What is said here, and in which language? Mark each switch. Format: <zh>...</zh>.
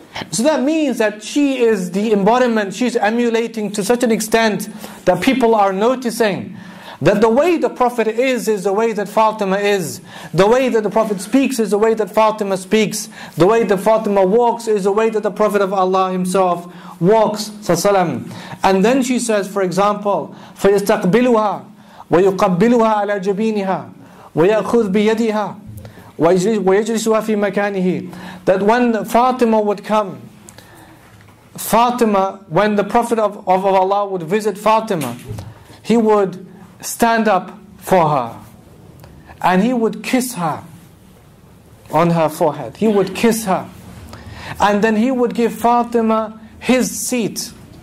<en>So that means that she is the embodiment, she's emulating to such an extent that people are noticing that the way the Prophet is the way that Fatima is. The way that the Prophet speaks is the way that Fatima speaks. The way that Fatima walks is the way that the Prophet of Allah himself walks, sallallahu alaihi wasallam. And then she says, for example,</en> <ar>فَيَسْتَقْبِلُهَا وَيُقَبِّلُهَا عَلَى جَبِينِهَا وَيَأْخُذْ بِيَدِهَا وَيَجْلِسُهَا فِي مَكَانِهِ.</ar> <en>That when Fatima would come, Fatima, when the Prophet of Allah would visit Fatima, he would stand up for her and he would kiss her on her forehead. He would kiss her and then he would give Fatima his seat.</en>